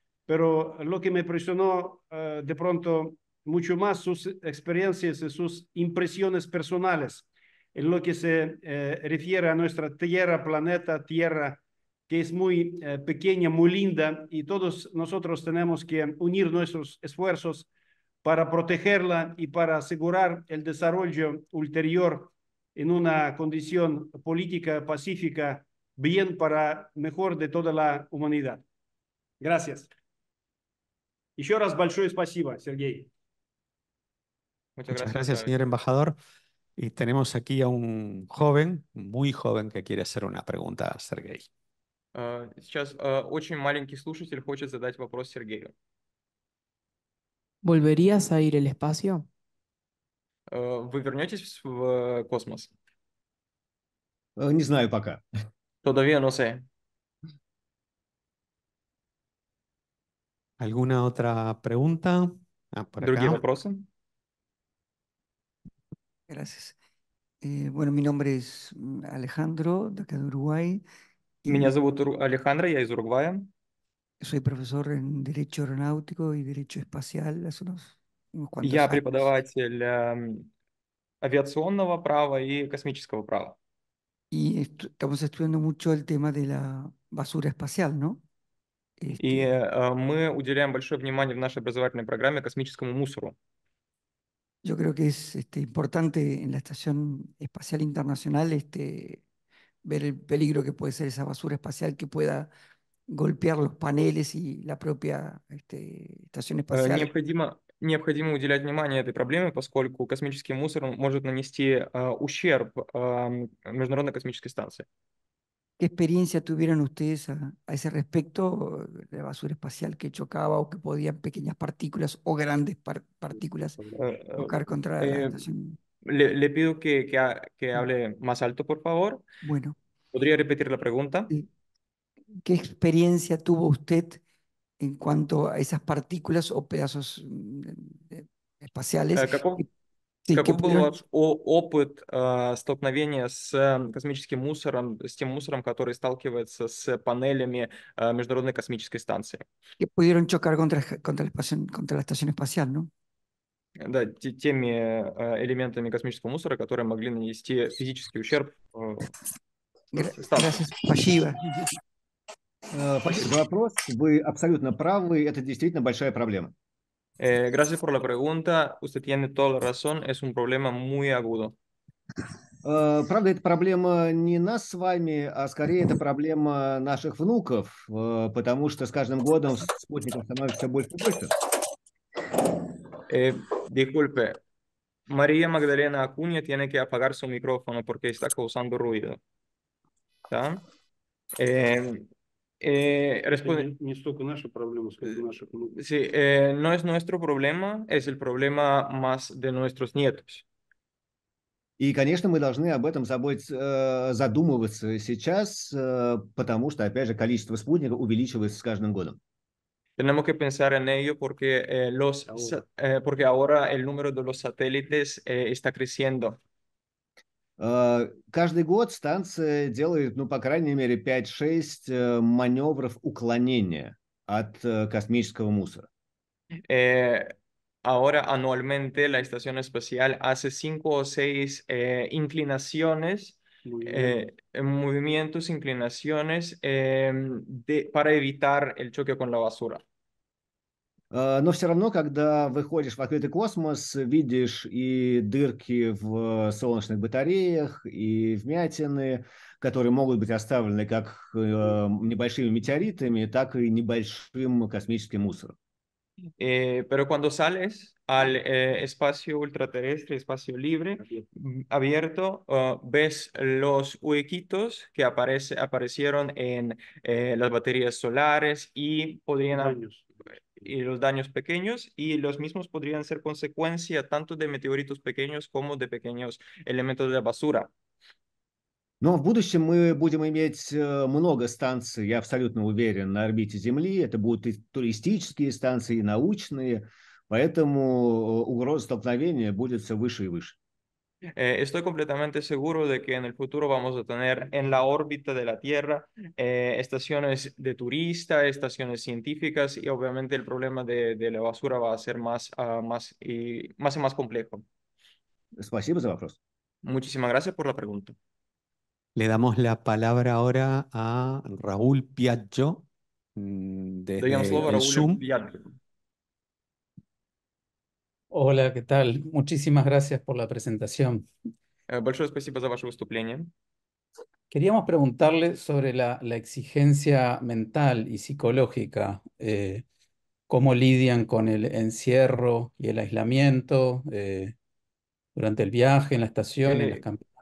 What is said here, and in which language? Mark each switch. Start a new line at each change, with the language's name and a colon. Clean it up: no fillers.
Spanish: Pero lo que me impresionó de pronto mucho más sus experiencias y sus impresiones personales en lo que se refiere a nuestra tierra, planeta, tierra, que es muy pequeña, muy linda, y todos nosotros tenemos que unir nuestros esfuerzos para protegerla y para asegurar el desarrollo ulterior en una condición política pacífica, bien para mejor de toda la humanidad. Gracias.
Russian: Еще раз большое спасибо, Сергей.
Spanish: Muchas gracias, señor embajador. Y tenemos aquí a un joven, muy joven, que quiere hacer una pregunta a Сергей.
Russian: Сейчас очень маленький слушатель хочет задать вопрос Сергею.
Spanish: ¿Volverías a ir al espacio?
Russian: ¿Вы вернетесь в космос? Не знаю пока.
Spanish: Todavía no sé. ¿Alguna otra pregunta?
Russian: ¿Другие вопросы?
Spanish: Gracias. Bueno, mi nombre es Alejandro, de acá de Uruguay.
Russian: Меня зовут Alejandro, я из Уругвая.
Spanish: Soy profesor en Derecho Aeronáutico y Derecho Espacial hace unos cuantos años.
Russian: Я преподаватель авиационного права и космического права.
Spanish: Y estamos estudiando mucho el tema de la basura espacial, ¿no?
Russian: Y мы уделяем большое внимание в нашей образовательной программе космическому мусору.
Spanish: Yo creo que es este, importante en la Estación Espacial Internacional este, ver el peligro que puede ser esa basura espacial que pueda golpear los paneles y la propia este, Estación Espacial.
Russian: Необходимо уделять внимание этой проблеме, поскольку космический мусор может нанести ущерб Международной космической станции.
Spanish: ¿Qué experiencia tuvieron ustedes a ese respecto de la basura espacial que chocaba o que podían pequeñas partículas o grandes partículas chocar contra la estación? Le pido que hable más alto, por favor. Bueno. ¿Podría repetir la pregunta? ¿Qué experiencia tuvo usted en cuanto a esas partículas o pedazos espaciales?
Russian: Sí, какой был ваш опыт столкновения с космическим мусором, с тем мусором, который сталкивается с панелями Международной космической станции?
Spanish: Que pudieron chocar contra la estación espacial, ¿no?
Russian: Да, теми элементами космического мусора, которые могли нанести физический ущерб.
Spanish: Gracias,
Russian: спасибо. Спасибо за вопрос. Вы абсолютно правы, это действительно большая проблема.
Spanish: Gracias por la pregunta. Usted tiene toda la razón. Es un problema muy agudo.
Russian: Правда, это проблема не нас с вами, а скорее это проблема наших внуков, потому что с каждым годом спутников становится все больше и больше.
Spanish: Disculpe, María Magdalena Acuña tiene que apagar su micrófono porque está causando ruido. ¿Está? Responde.
Russian: Не столько наша проблема, сколько наших внуков.
Spanish: Sí, no es nuestro problema, es el problema más de nuestros nietos.
Russian: И, конечно, мы должны об этом задумываться сейчас, потому что, опять же, количество спутников увеличивается с каждым годом.
Spanish: Tenemos que pensar en ello porque porque ahora el número de los satélites está creciendo.
Russian: Каждый год станция делает, ну, по крайней мере, 5-6 маневров уклонения от космического мусора.
Spanish: Ahora anualmente la estación espacial hace 5 o 6 inclinaciones, movimientos, inclinaciones para evitar el choque con la basura.
Russian: Но все равно, когда выходишь в открытый космос, видишь и дырки в солнечных батареях, и вмятины, которые могут быть оставлены как небольшими метеоритами, так и небольшим космическим мусором.
Spanish: Pero cuando sales al espacio ultraterrestre, espacio libre, abierto, ves los huequitos que aparecieron en las baterías solares y podrían daños. Y los daños pequeños y los mismos podrían ser consecuencia tanto de meteoritos pequeños como de pequeños elementos de basura.
Russian: Но в будущем мы будем иметь много станций, я абсолютно уверен, на орбите Земли. Это будут и туристические станции, и научные. Поэтому угроза столкновения будет все выше и выше.
Spanish: Estoy completamente seguro de que en el futuro vamos a tener en la órbita de la Tierra estaciones de turistas, estaciones científicas, y obviamente el problema de la basura va a ser más complejo.
Russian: Спасибо за вопрос.
Spanish: Muchísimas gracias por la pregunta. Le damos la palabra ahora a Raúl Piaggio desde el Zoom. Hola, ¿qué tal? Muchísimas gracias por la presentación.
Russian: Большое спасибо за ваше выступление.
Spanish: Queríamos preguntarle sobre la exigencia mental y psicológica. ¿Cómo lidian con el encierro y el aislamiento durante el viaje, en la estación, en las campañas?